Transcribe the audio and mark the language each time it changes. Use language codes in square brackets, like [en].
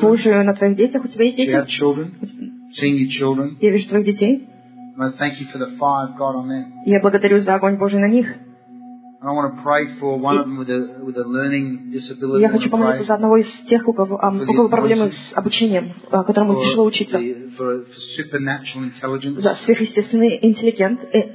[ru] Божию на твоих детях. У тебя есть дети? [en] Seeing your children. [ru] Я вижу твоих детей. [en] Thank you for the fire of God on them. [ru] Я благодарю за огонь Божий на них. [en] I want to pray for one of them with a learning disability. [ru] Я хочу помолиться за одного из тех, у кого проблемы с обучением, которому тяжело учиться. [en] For supernatural intelligence. [ru] За сверхъестественный интеллект.